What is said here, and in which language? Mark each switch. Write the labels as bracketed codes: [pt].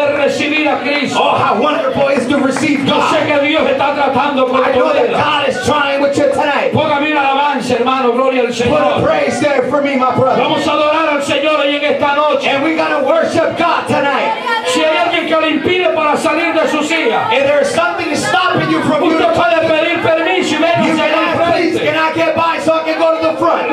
[en] Oh, how wonderful it is to receive God. [es] Yo sé que Dios está tratando con [en] I know that God is trying with you tonight. [es] Ponga mi alabanza, hermano, gloria al Señor. [en] Put a praise there for me, my brother. [es] Vamos a adorar al Señor hoy en esta noche. [en] And we're going to worship God tonight. [es] Si hay alguien que le impide para salir de su silla, [en] if there is something stopping you from [es] usted puede pedir permiso, [en] you cannot, please, can I get by so I can go to the front.